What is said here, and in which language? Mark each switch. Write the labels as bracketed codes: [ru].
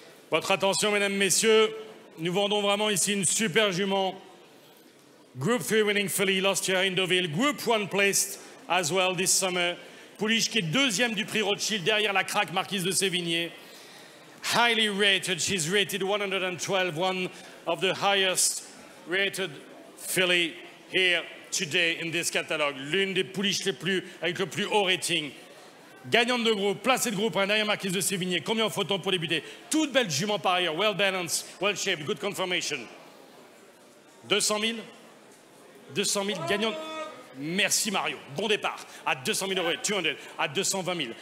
[fr] Votre attention, mesdames, messieurs, nous vendons vraiment ici une super jument. [en] Group 3 winning filly last year in Deauville. Group 1 placed as well this summer. [fr] Pouliche qui est deuxième du prix Rothschild derrière la craque Marquise de Sévigné. [en] Highly rated, she's rated 112, one of the highest rated filly here today in this catalogue. [fr] L'une des pouliches les plus, avec le plus haut rating. Gagnante de groupe, placée de groupe 1 derrière Marquise de Sévigné. Combien en faut-on pour débuter? Toute belle jument par ailleurs, [en] well balanced, well shaped, good confirmation. [fr] 200 000? 200 000 gagnants. Merci Mario. Bon départ. À 200 000 euros, 200. À 220 000.